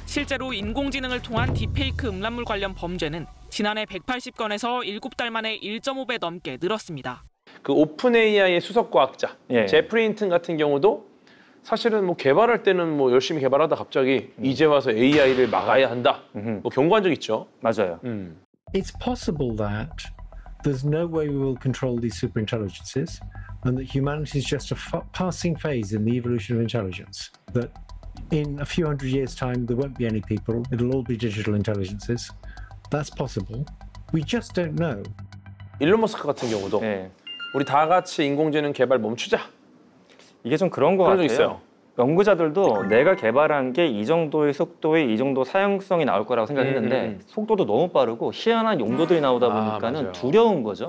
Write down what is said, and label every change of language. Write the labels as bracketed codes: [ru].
[ko] 실제로 인공지능을 통한 딥페이크 음란물 관련 범죄는 지난해 180건에서 7달 만에 1.5배 넘게 늘었습니다. 그 오픈 AI의 수석 과학자 예. 제프리 힌튼 같은 경우도 사실은 뭐 개발할 때는 뭐 열심히 개발하다 갑자기 이제 와서 AI를 막아야 한다. 뭐 경고한 적 있죠. 맞아요. [en] It's possible that there's no way we will control these superintelligences and that humanity is just a passing phase in the evolution of intelligence. That in a few hundred years time there won't be any people. It'll all be digital intelligences. That's possible. We just don't know. [ko] 일론 머스크 같은 경우도 예. 우리 다 같이 인공지능 개발 멈추자. 이게 좀 그런 거 같아요. 있어요. 연구자들도 내가 개발한 게 이 정도의 속도에 이 정도 사용성이 나올 거라고 생각했는데 속도도 너무 빠르고 희한한 용도들이 나오다 보니까는 아, 두려운 거죠.